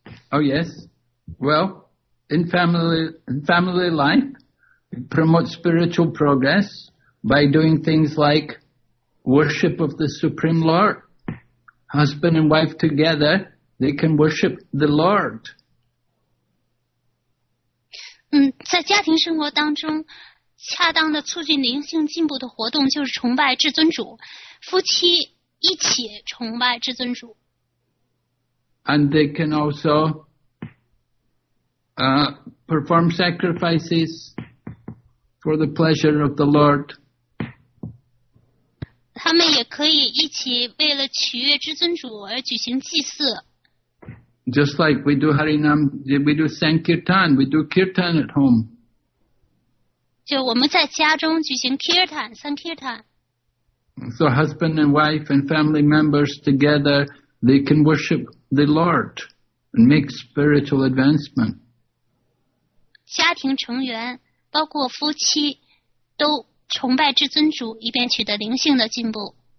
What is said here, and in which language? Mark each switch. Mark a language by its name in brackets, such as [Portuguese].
[English] Oh, yes. Well, in family life, it promotes spiritual progress by doing things like worship of the Supreme Lord. Husband and wife together, they can worship the Lord. [Chinese] 在家庭生活当中，恰当的促进灵性进步的活动就是崇拜至尊主，夫妻一起崇拜至尊主。 [English] And they can also... perform sacrifices for the pleasure of the Lord. [Chinese] 他们也可以一起为了取悦至尊主而举行祭祀。 [English] Just like we do Harinam, we do Sankirtan, we do Kirtan at home. [Chinese] 就我们在家中举行 Kirtan, Sankirtan. [English] So husband and wife and family members together, they can worship the Lord and make spiritual advancement. [Chinese] 家庭成员包括夫妻都崇拜至尊主以便取得灵性的进步。